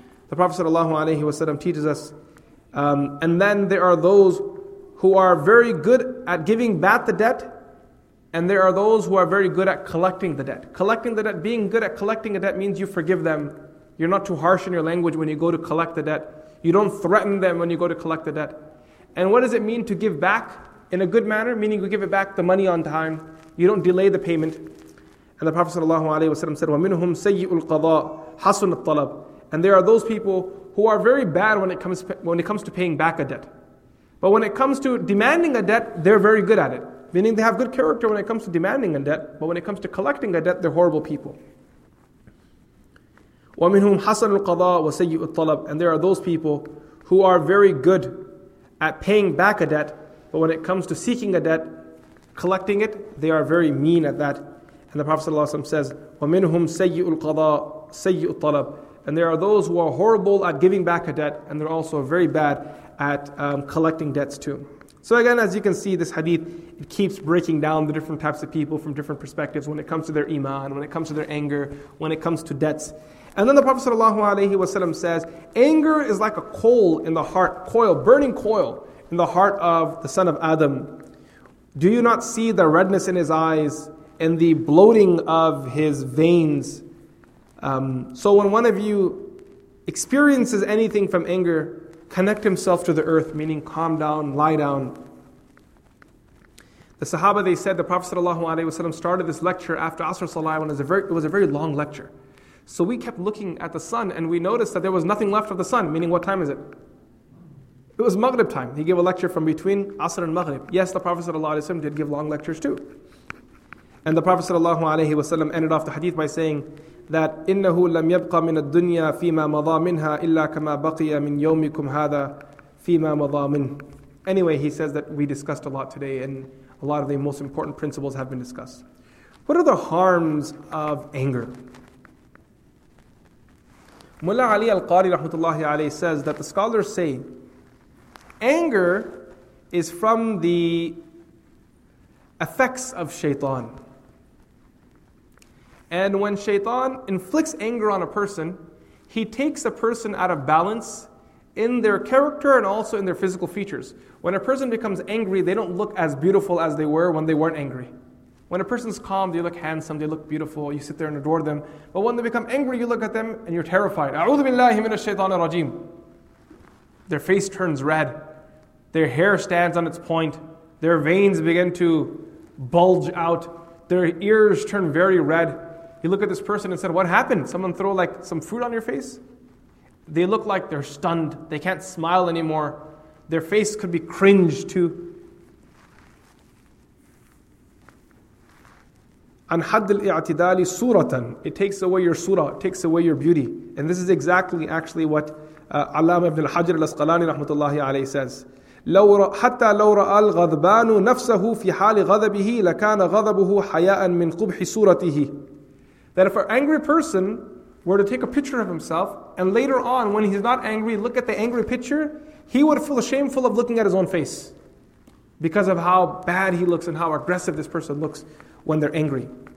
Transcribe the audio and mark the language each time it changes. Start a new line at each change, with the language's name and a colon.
English: The Prophet ﷺ teaches us, and then there are those who are very good at giving back the debt, and there are those who are very good at collecting the debt. Collecting the debt, being good at collecting a debt means you forgive them. You're not too harsh in your language when you go to collect the debt. You don't threaten them when you go to collect the debt. And what does it mean to give back in a good manner? Meaning you give it back the money on time. You don't delay the payment. And the Prophet ﷺ said,
Arabic: وَمِنْهُمْ سَيِّئُ الْقَضَىٰ حَسُنُ الطَّلَبِ.
English: And there are those people who are very bad when it comes to paying back a debt. But when it comes to demanding a debt, they're very good at it. Meaning they have good character when it comes to demanding a debt, but when it comes to collecting a debt, they're horrible people.
Arabic: وَمِنْهُمْ حَسَنُ الْقَضَىٰ وَسَيِّئُ الطَّلَبِ.
English: And there are those people who are very good at paying back a debt, but when it comes to seeking a debt, collecting it, they are very mean at that. And the Prophet ﷺ says,
Arabic: وَمِنْهُمْ سَيِّئُ الْقَضَىٰ سَيِّئُ الطَّلَبِ.
English: And there are those who are horrible at giving back a debt, and they're also very bad at collecting debts too. So again, as you can see, this hadith, it keeps breaking down the different types of people from different perspectives when it comes to their iman, when it comes to their anger, when it comes to debts. And then the Prophet ﷺ says, anger is like a coal in the heart, burning coil in the heart of the son of Adam. Do you not see the redness in his eyes and the bloating of his veins? So when one of you experiences anything from anger, connect himself to the earth, meaning calm down, lie down. The Sahaba, they said, the Prophet ﷺ started this lecture after Asr Salah, and it was a very long lecture. So we kept looking at the sun, and we noticed that there was nothing left of the sun, meaning what time is it? It was Maghrib time. He gave a lecture from between Asr and Maghrib. Yes, the Prophet ﷺ did give long lectures too. And the Prophet ﷺ ended off the hadith by saying that
Arabic: إِنَّهُ لَمْ يَبْقَ مِنَ الدُّنْيَا فِي مَا مَضَى مِنْهَا إِلَّا كَمَا بَقِيَ مِنْ يَوْمِكُمْ هَذَا فِي مَا مَضَى مِنْهَا.
English: Anyway, he says that we discussed a lot today, and a lot of the most important principles have been discussed. What are the harms of anger? Mullah Ali Al-Qari rahmatullahi alayhi says that the scholars say anger is from the effects of shaitan. And when shaitan inflicts anger on a person, he takes a person out of balance in their character and also in their physical features. When a person becomes angry, they don't look as beautiful as they were when they weren't angry. When a person's calm, they look handsome, they look beautiful, you sit there and adore them. But when they become angry, you look at them and you're terrified.
Arabic: أعوذ بالله من الشيطان الرجيم.
English: Their face turns red. Their hair stands on its point. Their veins begin to bulge out. Their ears turn very red. You look at this person and said, what happened? Someone throw like some fruit on your face? They look like they're stunned. They can't smile anymore. Their face could be cringed too.
Arabic: An hadd al-i'tidali suratan.
English: It takes away your surah. It takes away your beauty. And this is exactly actually what Allama ibn al-Hajr al-Asqalani rahmatullahi alayhi says.
Arabic: حتى لو رأى الغضبان نفسه في حال غضبه لكان غضبه حياء من قبح صورته.
English: That if an angry person were to take a picture of himself, and later on when he's not angry, look at the angry picture, he would feel shameful of looking at his own face because of how bad he looks and how aggressive this person looks when they're angry.